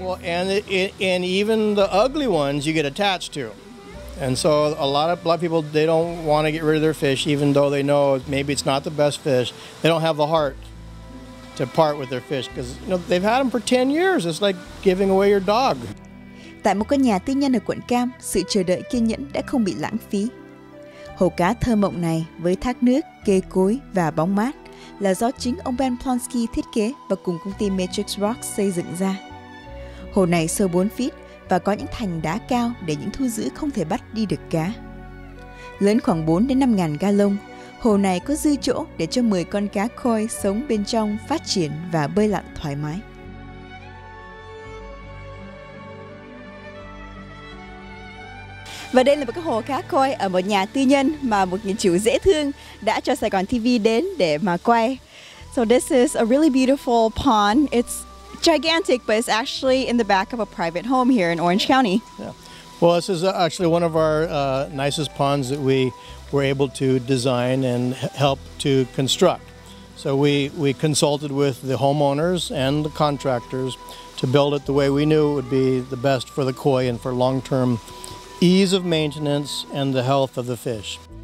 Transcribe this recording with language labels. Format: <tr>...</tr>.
<en>Well, and even the ugly ones you get attached to. And so a lot of people, they don't want to get rid of their fish, even though they know maybe it's not the best fish. They don't have the heart to part with their fish because, you know, they've had them for 10 years. It's like giving away your dog.</en> <vi>Tại một căn nhà tư nhân ở quận Cam, sự chờ đợi kiên nhẫn đã không bị lãng phí. Hồ cá thơ mộng này với thác nước, cây cối và bóng mát là do chính ông Ben Plonski thiết kế và cùng công ty Matrix Rock xây dựng ra. Hồ này sâu 4 feet và có những thành đá cao để những thu dữ không thể bắt đi được cá. Lớn khoảng 4-5.000 gallon, hồ này có dư chỗ để cho 10 con cá koi sống bên trong phát triển và bơi lặn thoải mái. Và đây là một cái hồ cá koi ở một nhà tư nhân mà một người chủ dễ thương đã cho Saigon TV đến để mà quay.</vi> <en>So this is a really beautiful pond. It's gigantic, but it's actually in the back of a private home here in Orange County. Yeah. Well, this is actually one of our nicest ponds that we were able to design and help to construct. So we consulted with the homeowners and the contractors to build it the way we knew it would be the best for the koi and for long-term ease of maintenance and the health of the fish.</en>